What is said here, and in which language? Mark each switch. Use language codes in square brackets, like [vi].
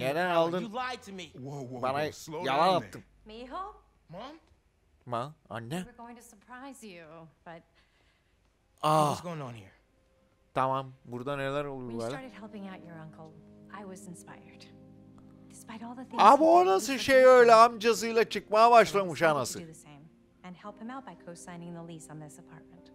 [tr] Neden aldın? [en] You lied to me. [tr] Bana yalan attın. [es] Mijo? [en] Mom? [tr] Ma? Anne? [en] We're going to surprise you, but... What's going on here? [tr] Tamam. Burada neler oluyor böyle? [en] When you started helping out your uncle, I was inspired. Despite all the things... [tr] Abi o nasıl şey öyle amcasıyla çıkmaya başlamış anası? [en] And help him out by co-signing the lease on this apartment.